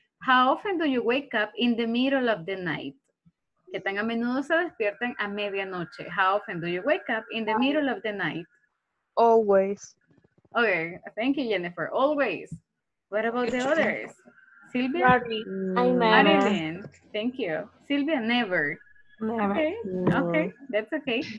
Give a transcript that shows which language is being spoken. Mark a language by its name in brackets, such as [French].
[English] How often do you wake up in the middle of the night? [Spanish] ¿Qué tan a menudo se despiertan a medianoche? [English] How often do you wake up in the middle of the night? Always. Okay, thank you, Jennifer. Always. What about the others? Silvia? Rarely. Thank you. Silvia, never. Never. Okay, okay, that's okay.